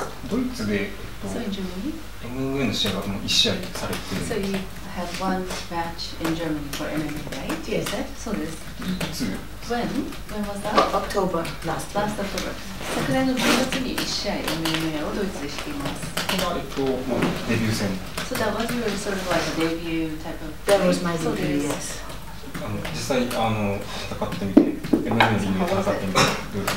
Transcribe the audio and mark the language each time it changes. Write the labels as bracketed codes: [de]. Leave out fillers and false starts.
[ja] ドイツで MMA の試合がもう1試合されてる。 [en] So you have one match in Germany for MMA, right? Yes, sir. [ja] そうです。いつ？ [en] When was that? October, last year. Last October. [ja] 昨年の10月に1試合 MMA をドイツでしています。この後、まあ、デビュー戦。 [en] So that was your sort of like a debut type of That was my debut, yes. [ja] 実際戦ってみて、 MMA で戦ってみて、どうです